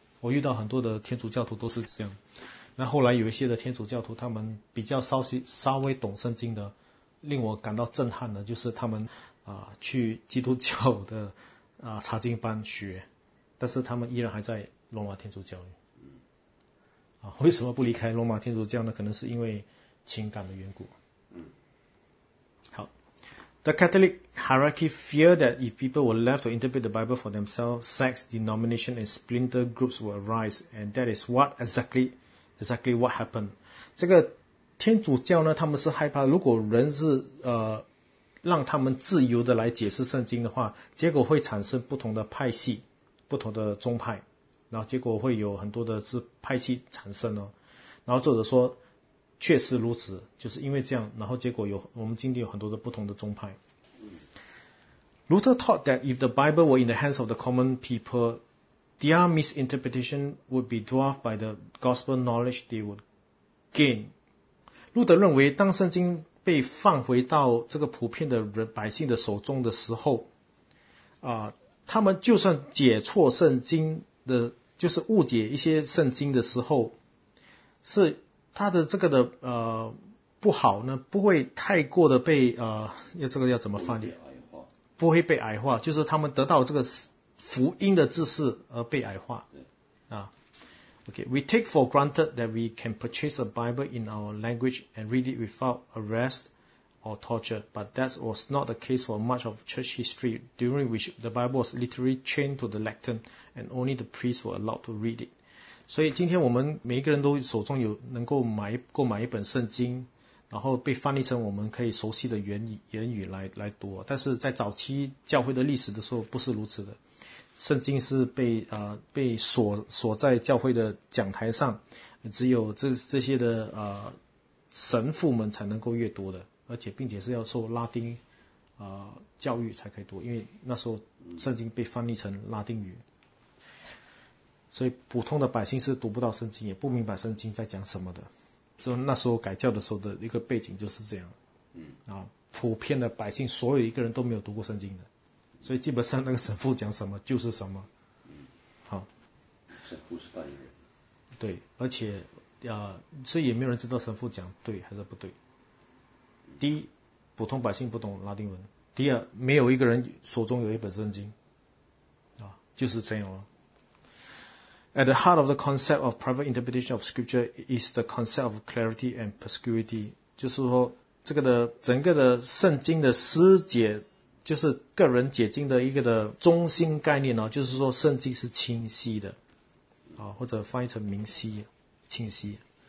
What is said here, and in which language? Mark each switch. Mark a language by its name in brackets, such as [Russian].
[Chinese] 我遇到很多的天主教徒都是这样。那后来有一些的天主教徒，他们比较稍微懂圣经的，令我感到震撼的就是他们去基督教的查经班学，但是他们依然还在罗马天主教里。为什么不离开罗马天主教呢？可能是因为情感的缘故。 [English] The Catholic hierarchy feared that if people were left to interpret the Bible for themselves, sects, denomination, and splinter groups will arise, and that is what exactly what happened. [Chinese] 这个天主教呢，他们是害怕如果人是让他们自由的来解释圣经的话，结果会产生不同的派系、不同的宗派，然后结果会有很多的派系产生哦。然后作者说。确实如此，就是因为这样，然后结果我们今天有很多的不同的宗派。 [English] Luther thought that if the Bible were in the hands of the common people, their misinterpretation would be dwarfed by the gospel knowledge they would gain. [Chinese] 路德认为，当圣经被放回到这个普遍的百姓的手中的时候，他们就算解错圣经的，就是误解一些圣经的时候，是。他的这个的不好呢，不会太过的被这个要怎么翻译？不会被矮化，就是他们得到这个福音的知识而被矮化。 [English] Okay, we take for granted that we can purchase a Bible in our language and read it without arrest or torture, but that was not the case for much of church history, during which the Bible was literally chained to the lectern and only the priests were allowed to read it. [Chinese] 所以今天我们每一个人都手中有能够购买一本圣经，然后被翻译成我们可以熟悉的原语来读。但是在早期教会的历史的时候不是如此的，圣经是被锁在教会的讲台上，只有这些的神父们才能够阅读的，而且并且是要受拉丁教育才可以读，因为那时候圣经被翻译成拉丁语。所以普通的百姓是读不到圣经，也不明白圣经在讲什么的。所以那时候改教的时候的一个背景就是这样。普遍的百姓所有一个人都没有读过圣经的，所以基本上那个神父讲什么就是什么。神父是代言人。对，而且所以也没有人知道神父讲对还是不对。第一，普通百姓不懂拉丁文；第二，没有一个人手中有一本圣经。就是这样了。 [English] At the heart of the concept of private interpretation of scripture is the concept of clarity and perspicuity. [Chinese] 就是说这个的整个的圣经的私解，就是个人解经的一个的中心概念，就是说圣经是清晰的，或者翻译成明晰，清晰。